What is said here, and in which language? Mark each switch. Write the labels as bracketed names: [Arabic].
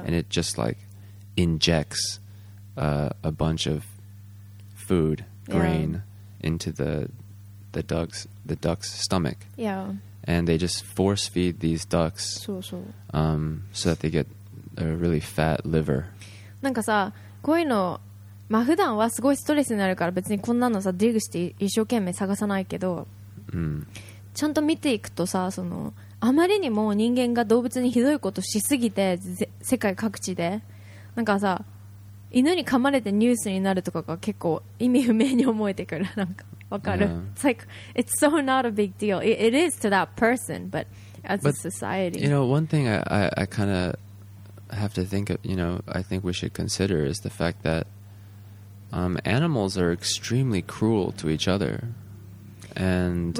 [English] and it just like injects a bunch of food grain yeah. into the duck's stomach. Yeah, and they just force feed these ducks, so. So that they get a really fat liver. [Japanese] なんかさ、こういうの、まあ普段はすごいストレスになるから別にこんなのさ、ディグして一生懸命探さないけど、ちゃんと見ていくとさ、そのあまりにも人間が動物にひどいことしすぎて、世界各地でなんかさ、犬に噛まれてニュースになるとかが結構意味不明に思えてくる、なんかわかる、yeah. [English] It's like, it's so not a big deal. It is to that person, but as but, a society. You know, one thing I kind of have to think of, you know, I think we should consider is the fact that animals are extremely cruel to each other. And、